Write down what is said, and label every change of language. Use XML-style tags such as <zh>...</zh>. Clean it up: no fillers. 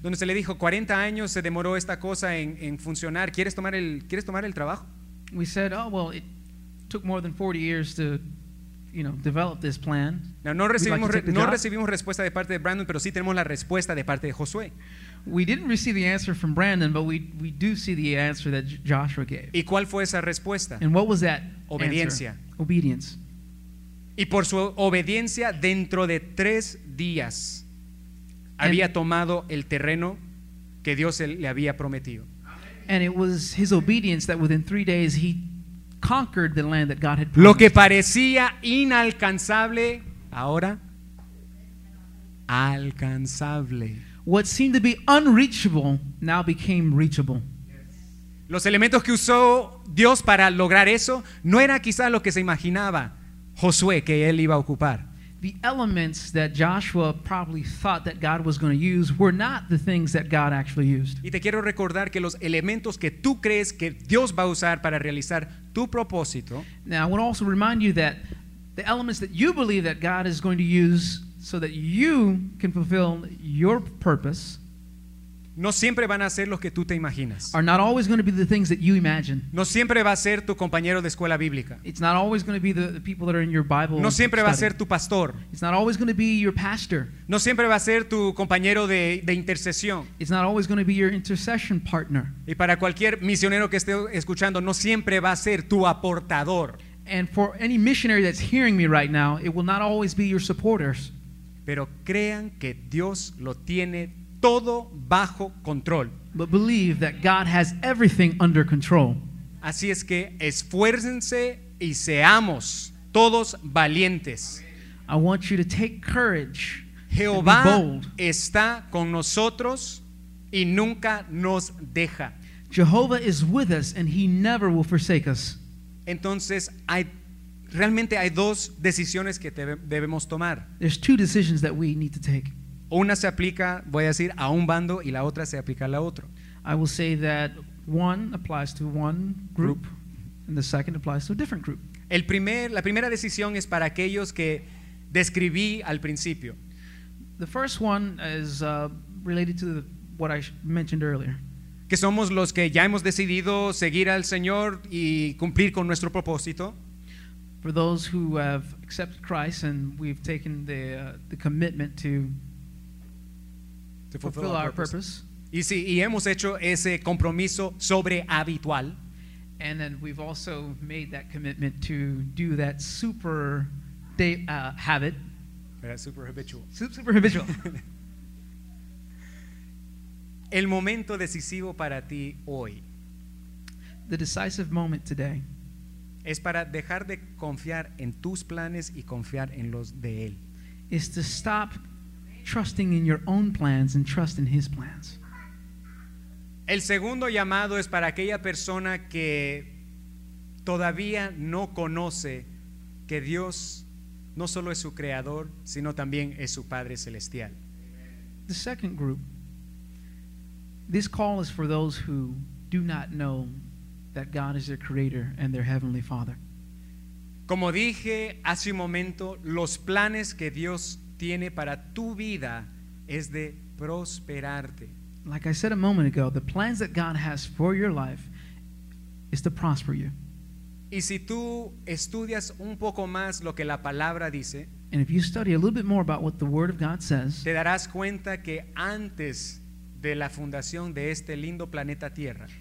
<es>Donde se le dijo 40 años se demoró esta cosa en funcionar. ¿Quieres tomar el trabajo?</es> <en>We said, "Oh, well, it took more than 40 years to, you know, develop this plan."</en> <es>Now, no recibimos respuesta de parte de Brandon, pero sí tenemos la respuesta de parte de Josué.</es> <en>We didn't receive the answer from Brandon, but we do see the answer that Joshua gave.</en> <es>¿Y cuál fue esa respuesta?</es> <en>And what was that?</en> <es>Obediencia.</es> <en>Answer? Obedience.</en> <es>Y por su obediencia, dentro de 3 días había tomado el terreno que Dios le había prometido.</es> <en>And it was his obedience that within 3 days he conquered the land that God had</en> <es>promised. Lo que parecía inalcanzable, ahora alcanzable.</es> <en>What seemed to be unreachable now became reachable.</en> <es>Los elementos que usó Dios para lograr eso no era quizás lo que se imaginaba Josué que él iba a ocupar.</es> <en>The elements that Joshua probably thought that God was going to use were not the things that God actually used.</en> <es>Y te quiero recordar que los elementos que tú crees que Dios va a usar para realizar tu propósito.</es> <en>Now I want to also remind you that the elements that you believe that God is going to use so that you can fulfill your purpose.</en> <es>No siempre van a ser los que tú te imaginas.</es> <en>Are not always going to be the things that you imagine.</en> <es>No siempre va a ser tu compañero de escuela bíblica.</es> <en>It's not always going to be the people that are in your Bible.</en> <es>No siempre</es> <en>study.</en> <es>Va a ser tu pastor.</es> <en>It's not always going to be your pastor.</en> <es>No siempre va a ser tu compañero de intercesión.</es> <en>It's not always going to be your intercession partner.</en> <es>Y para cualquier misionero que esté escuchando, no siempre va a ser tu aportador.</es> <en>And for any missionary that's hearing me right now, it will not always be your supporters.</en> <es>Pero crean que Dios lo tiene todo bajo control.</es> <en>But believe that God has everything under control.</en> <es>Así es que esfuércense y seamos todos valientes.</es> <en>I want you to take courage.</en> <es>Jehová</es> <en>and be bold.</en> <es>Está con nosotros y nunca nos deja.</es> <en>Jehovah is with us and he never will forsake us.</en> <es>Entonces realmente hay dos decisiones que debemos tomar.</es> <en>There's two decisions that we need to take.</en> <es>Una se aplica, voy a decir, a un bando y la otra se aplica a la otro.</es> <en>I will say that one applies to one group and the second applies to a different group.</en> <es>La primera decisión es para aquellos que describí al principio.</es> <en>The first one is related to what I mentioned earlier.</en> <es>Que somos los que ya hemos decidido seguir al Señor y cumplir con nuestro propósito.</es> <en>For those who have accepted Christ and we've taken the commitment to fulfill our purpose.</en> <es>Y hemos hecho ese compromiso sobre habitual.</es> <en>And then we've also made that commitment to do that super day habit.</en> <es>Super habitual. Super habitual. El momento decisivo para ti hoy.</es> <en>The decisive moment today.</en> <es>Es para dejar de confiar en tus planes y confiar en los de él.</es> <en>Is to stop trusting in your own plans and trust in his plans.</en> <es>El segundo llamado es para aquella persona que todavía no conoce que Dios no solo es su creador, sino también es su Padre celestial.</es> <en>The second group. This call is for those who do not know that God is their creator and their heavenly Father.</en> <es>Como dije hace un momento, los planes que Dios tiene para tu vida es de prosperarte.</es> <en>Like I said a moment ago, the plans that God has for your life is to prosper you.</en> <es>Y si tú estudias un poco más lo que la palabra dice,</es> <en>and if you study a little bit more about what the Word of God says,</en> <es>te darás cuenta que antes de la fundación de este lindo planeta Tierra,</es>